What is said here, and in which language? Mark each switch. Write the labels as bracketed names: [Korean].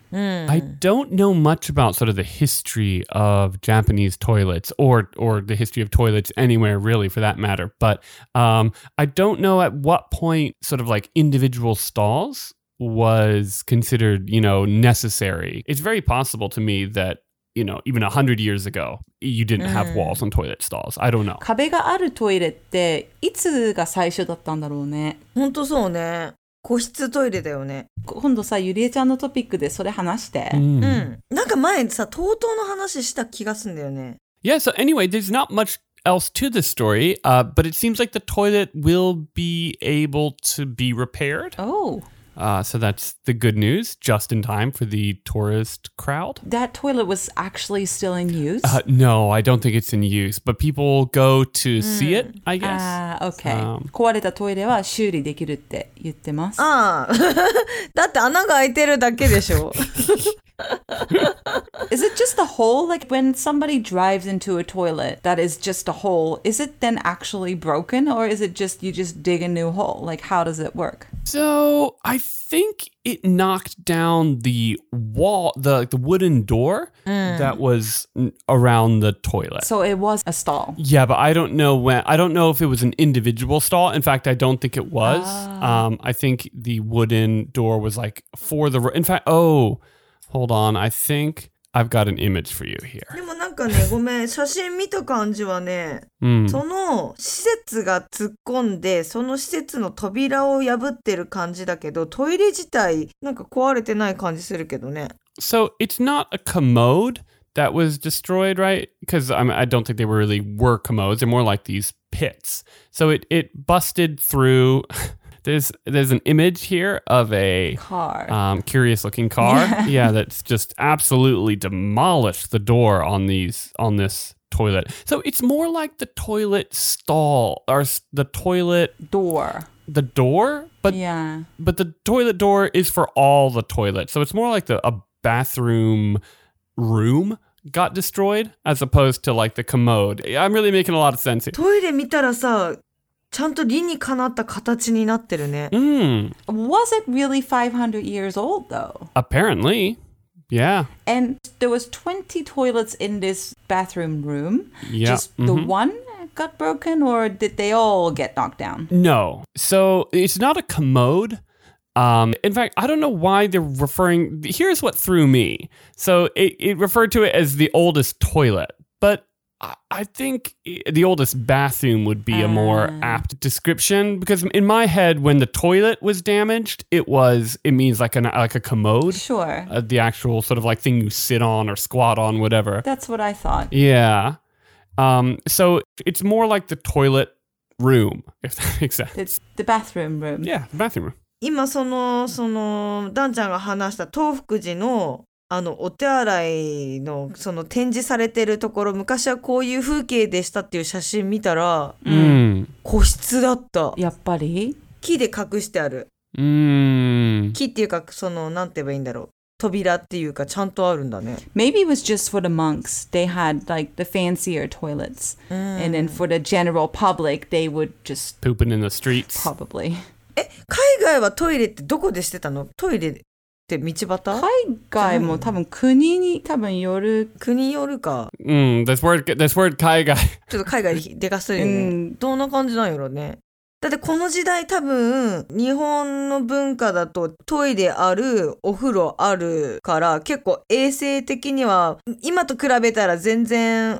[English] I don't know much about sort of the history of Japanese toilets or the history of toilets anywhere, really, for that matter. But I don't know at what point sort of like individual stalls was considered, you know, necessary. It's very possible to me that, you know, even 100 years ago, you didn't have walls on toilet stalls. I don't know. [Japanese] 壁があるトイレっていつが最初だったんだろうね。本当そうね。個室トイレだよね。今度さ、ゆりえちゃんのトピックでそれ話して。なんか前にさ、とうとうの話した気がすんだよね。 [English] Yeah, so anyway, there's not much else to this story, but it seems like the toilet will be able to be repaired. So that's the good news, just in time for the tourist crowd. That toilet was actually still in use? No, I don't think it's in use, but people go to see it, I guess. Okay. [Japanese] 壊れたトイレは修理できるって言ってます。だって穴が開いてるだけでしょ。 [English] Is it just a hole? Like when somebody drives into a toilet that is just a hole, is it then actually broken or is it just you just dig a new hole? Like how does it work? So I think it knocked down the wall, the wooden door that was around the toilet. So it was a stall. Yeah, but I don't know when. I don't know if it was an individual stall. In fact, I don't think it was. I think the wooden door was like for the... In fact, hold on, I think I've got an image for you here. [Japanese] でもなんかね、ごめん、写真見た感じはね、その施設が突っ込んで、その施設の扉を破ってる感じだけど、トイレ自体なんか壊れてない感じするけどね。 [English] So it's not a commode that was destroyed, right? Because I don't think they really were commodes, they're more like these pits. So it busted through... There's an image here of a car, curious looking car. Yeah, that's just absolutely demolished the door on this toilet. So it's more like the toilet stall or the toilet door. The door, but the toilet door is for all the toilets. So it's more like a bathroom room got destroyed as opposed to like the commode. I'm really making a lot of sense here. [Japanese] Toilet 見たらさ。ちゃんと理にかなった形になってるね。 [English] Was it really 500 years old, though? Apparently, yeah. And there was 20 toilets in this bathroom room. Yeah. Just the one got broken, or did they all get knocked down? No. So it's not a commode. In fact, I don't know why they're referring... Here's what threw me. So it referred to it as the oldest toilet, but... I think the oldest bathroom would be a more apt description because in my head, when the toilet was damaged, it means like a commode. Sure. The actual sort of like thing you sit on or squat on, whatever. That's what I thought. Yeah. So it's more like the toilet room, if that makes sense. It's the bathroom room. Yeah, the bathroom room. [Japanese] 今その、Dan-chan が話した東福寺のあのお手洗いのその展示されてるところ昔はこういう風景でしたっていう写真見たら、個室だったやっぱり木で隠してある、木っていうかそのなんて言えばいいんだろう扉っていうかちゃんとあるんだね [English] Maybe it was just for the monks. They had like the fancier toilets. And then for the general public, they would just pooping in the streets. Probably. [Japanese] 海外はトイレってどこでしてたのトイレで海外も多分国に多分よる国によるか。 [English] This word 海外。 [Japanese] ちょっと海外でかすよね。どんな感じなんやろね。だってこの時代多分日本の文化だとトイレあるお風呂あるから結構衛生的には今と比べたら全然、